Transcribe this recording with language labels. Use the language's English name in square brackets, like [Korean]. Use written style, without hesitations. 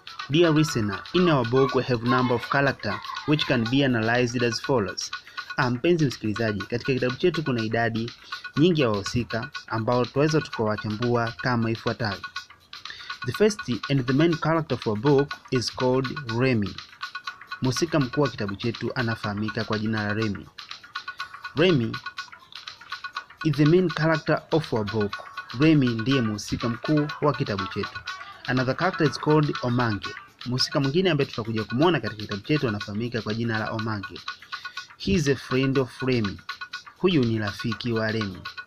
[English] Dear listener, in our book we have number of character which can be analyzed as follows. [Swahili] Mpenzi msikilizaji, katika kitabu chetu kuna idadi nyingi ya wahusika ambao tuweza tukawachambua kama ifuatavyo. [English] The first and the main character of our book is called Remy. [Swahili] Mhusika mkuu wa kitabu chetu anafahamika kwa jina la Remy. [English] Remy is the main character of our book. [Swahili] Remy ndiye mhusika mkuu wa kitabu chetu. [English] Another character is called Omange. [Swahili] Mhusika mwingine ambaye tutakuja kumuona katika kitabu chetu anafahamika kwa jina la Omange. [English] He is a friend of Remy. [Swahili] Huyu ni rafiki wa Remy.